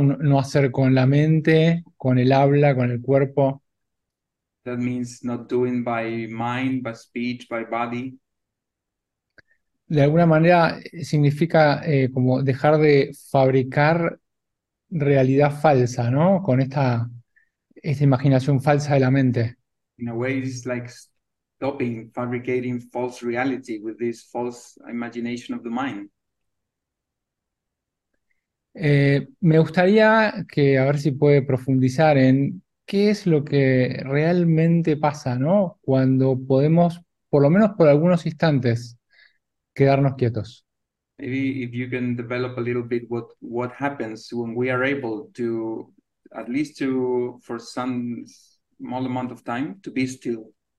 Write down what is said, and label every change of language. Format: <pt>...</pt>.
<es>No hacer con la mente, con el habla, con el cuerpo.</es> <en>That means not doing by mind, by speech, by body.</en> <es>De alguna manera significa como dejar de fabricar realidad falsa, ¿no? Con esta imaginación falsa de la mente.</es> <en>In a way, it's like stopping fabricating false reality with this false imagination of the mind.</en> <es>Me gustaría que, a ver si puede profundizar en qué es lo que realmente pasa, ¿no? Cuando podemos, por lo menos por algunos instantes, quedarnos quietos.</es> <en>Maybe if you can develop a little bit what happens when we are able to, at least to, for some small amount of time, to be still.</en>